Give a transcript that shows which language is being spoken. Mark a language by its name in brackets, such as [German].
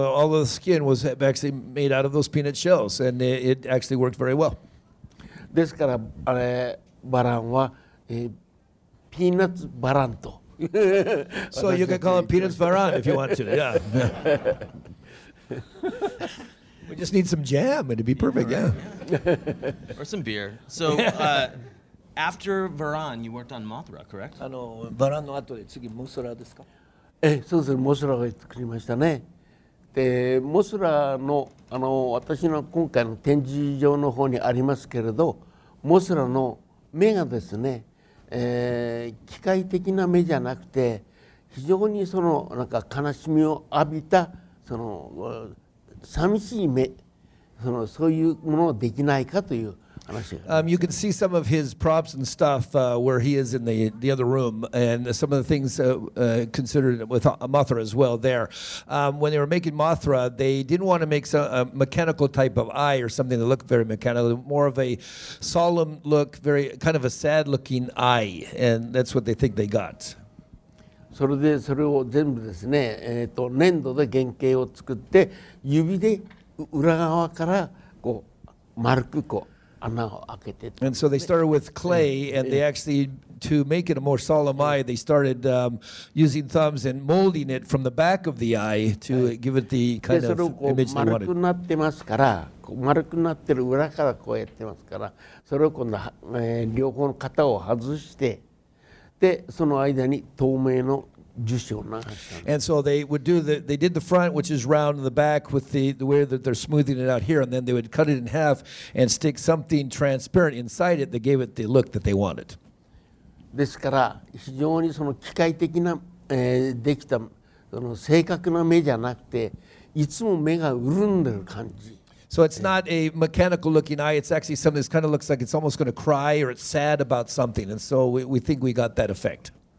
[English] all of the skin was actually made out of those peanut shells, and it actually worked very well. [Japanese] ですから、バランはピーナッツバランと。 [English] So you can call him Peanuts Varan if you want to, yeah. We just need some jam, it'd be perfect, yeah. Or some beer. So after Varan, you worked on Mothra, correct? [Japanese] バランの後で次、モスラですか？そうです、モスラを作りましたね。で、モスラの、私の今回の展示場の方にありますけれど、モスラの目がですね、 機械的な目じゃなくて、非常にその、なんか悲しみを浴びた、その、寂しい目、その、そういうものをできないかという。 [English] You can see some of his props and stuff where he is in the other room, and some of the things considered with Mothra as well there. When they were making Mothra, they didn't want to make a mechanical type of eye or something that looked very mechanical, more of a solemn look, very kind of a sad looking eye, and that's what they think they got. [Japanese] それでそれを全部ですね、粘土で原型を作って指で裏側からこう丸くこう穴を開けて。 [English] And so they started with clay, and they actually, to make it a more solemn eye, they started using thumbs and molding it from the back of the eye to give it the kind of image they wanted. [Japanese] 丸くなってますから、丸くなってる裏からこうやってますから、それを今度は、両方の型を外して、でその間に透明の樹脂を流したんです。 [English] And so they would do the, they did the front, which is round in the back with the way that they're smoothing it out here, and then they would cut it in half and stick something transparent inside it that gave it the look that they wanted. [Japanese] ですから非常にその機械的な、できたその正確な目じゃなくて、いつも目が潤んでる感じ。 [English] So it's not a mechanical looking eye, it's actually something that kind of looks like it's almost going to cry or it's sad about something. And so we think we got that effect.